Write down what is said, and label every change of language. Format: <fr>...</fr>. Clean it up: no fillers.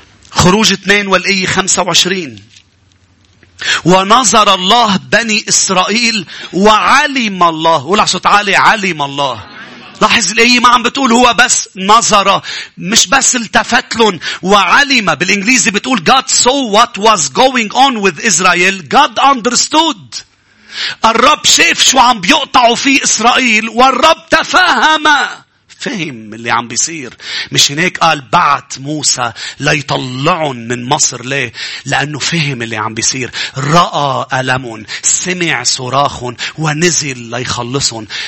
<ar>خروج 2 والآية 25, ونظر الله بني إسرائيل وعلم الله. قول على صوت عالي, علم الله. لاحظ الآية ما عم بتقول هو بس نظر, مش بس التفت لهم وعلم. بالإنجليزي بتقول</ar> <en>God saw what was going on with Israel, God understood.</en> <ar>الرب شاف شو عم بيقطعوا فيه إسرائيل والرب تفهم, فهم اللي عم بيصير. مش هناك قال بعت موسى ليطلعن من مصر, ليه؟ لأنه فهم اللي عم بيصير, رأى ألمن, سمع صراخن, ونزل ليخلصن.</ar>